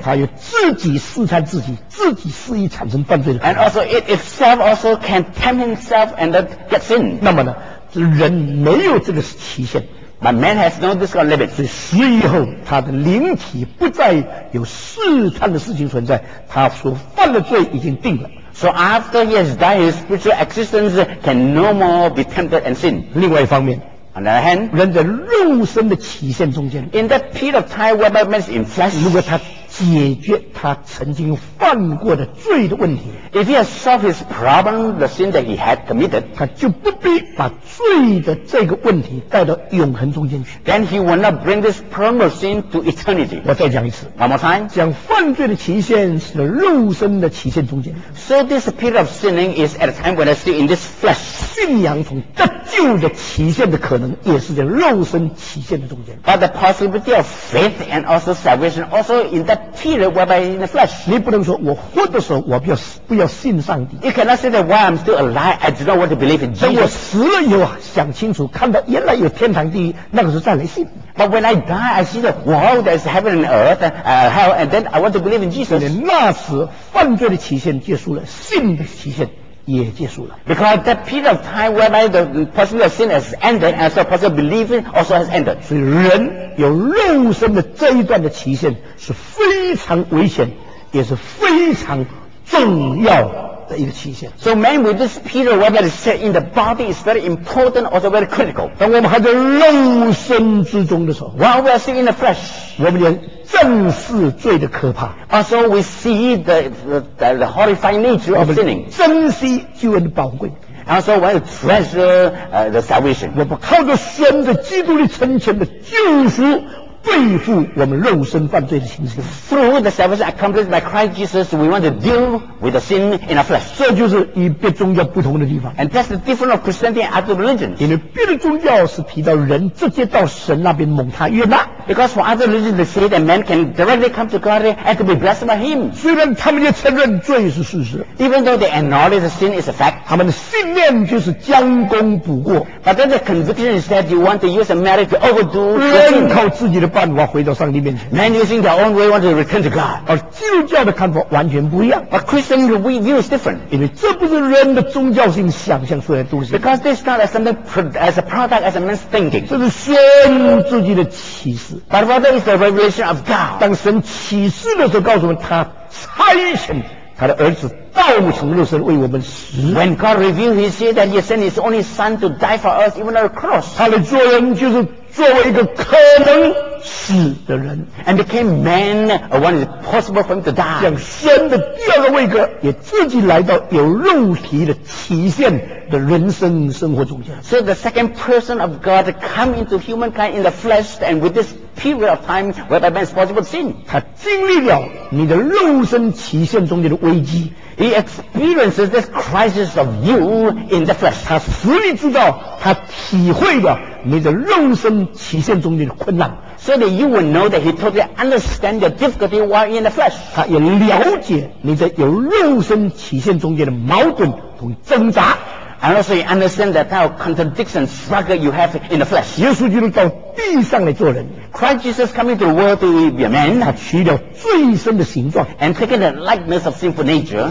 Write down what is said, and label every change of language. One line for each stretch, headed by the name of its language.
Chinese: 它有自己试探自己，自己肆意产生犯罪的可能。
English: And also it itself also can tempt himself and then get sin.
Chinese: 那么呢，人没有这个期限。
English: But man has no this kind of limit.
Chinese: 所以死以后，他的灵体不再有试探的事情存在，他所犯的罪已经定了。
English: So after he has died, his spiritual existence can no more be tempted and sin.
Chinese: 另外一方面
English: On the other hand,
Chinese: 人在肉身的期限中间
English: In that period of time whereby man is in flesh,
Chinese: 如果他解决他曾经犯过的罪的问题。
English: If he has solved his problem, the sin that he had committed,
Chinese: 他就不必把罪的这个问题带到永恒中间去。
English: Then he will not bring this problem of sin to eternity.
Chinese: 我再讲一次。
English: One more time.
Chinese: 将犯罪的期限是在肉身的期限中间。
English: So this period of sinning is at a time when I still in this flesh.
Chinese: 信仰从得救的期限的可能也是在肉身期限的中间。
English: But the possibility of faith and also salvation also in that period whereby in the flesh.
Chinese: 你不能说我活的时候我不要信上帝。
English: You cannot say that while I'm still alive, I do not want to believe in Jesus.
Chinese: 等我死了以后想清楚，看到原来有天堂地狱，那个时候再来信。
English: But when I die, I see the world that is heaven and earth, hell, and then I want to believe in Jesus.
Chinese: 那时犯罪的期限结束了，信的期限。也结束了。
English: Because that period of time whereby the person of sin has ended and so person believing also has ended.
Chinese: 所以人有肉身的这一段的期限是非常危险也是非常重要的一个期限。
English: So man with this period whereby is set in the body is very important also very critical.
Chinese: 当我们还在肉身之中的时候
English: while we are still in the flesh,
Chinese: 我们连正视罪的可怕。
English: Also, we see the horrifying nature of sinning.
Chinese: 珍惜救恩的宝贵。
English: Also, we treasure the salvation.
Chinese: 我们靠着神的基督的成全的救赎，对付我们肉身犯罪的情形。
English: Through the salvation accomplished by Christ Jesus, we want to deal with the sin in our flesh.
Chinese: 这就是与别宗教不同的地方。
English: And that's the difference of Christianity and other religions.
Chinese: 因为别的宗教是提到人直接到神那边蒙他悦纳。
English: Because for other religions, they say that man can directly come to God and to be blessed by Him.
Chinese: 虽然他们也承认罪是事实。
English: Even though they acknowledge the sin is a fact.
Chinese: 他们的信念就是将功补过。
English: But then the conviction is that you want to use a merit to overdo the sin.
Chinese: 人靠自己的办法回到上帝面前。
English: Man using their own way want to return to God.
Chinese: 而基督教的看法完全不一样。
English: But Christian view is different.
Chinese: 因为这不是人的宗教性想象出来的东西。
English: Because this is not something as a product as a man's thinking.
Chinese: 这是神自己的启示。
English: But rather is the revelation of God.
Chinese: 当神启示的时候告诉我们他差遣他的儿子道成肉身为我们死。
English: When God revealed, He said that He sent His only Son to die for us, even on a cross.
Chinese: 他的做人就是作为一个可能死的人。
English: And became man, a one is possible for him to die.
Chinese: 像神的第二个位格也自己来到有肉体的期限的人生生活中间。
English: So the second person of God come into humankind in the flesh and with this period of time whereby man is possible sin.
Chinese: 他经历了你的肉身期限中间的危机。
English: He experiences this crisis of you in the flesh.
Chinese: 他实力知道他体会了你的肉身期限中间的困难。
English: So that you will know that he totally understands your difficulty while in the flesh.
Chinese: 他也了解你在有肉身期限中间的矛盾和挣扎。
English: And also you understand that type of contradiction struggle you have in the flesh.
Chinese: 耶稣基督到地上来做人。
English: Christ Jesus coming to the world to be a man.
Chinese: 他取了罪身的形状。
English: And taking the likeness of sinful nature.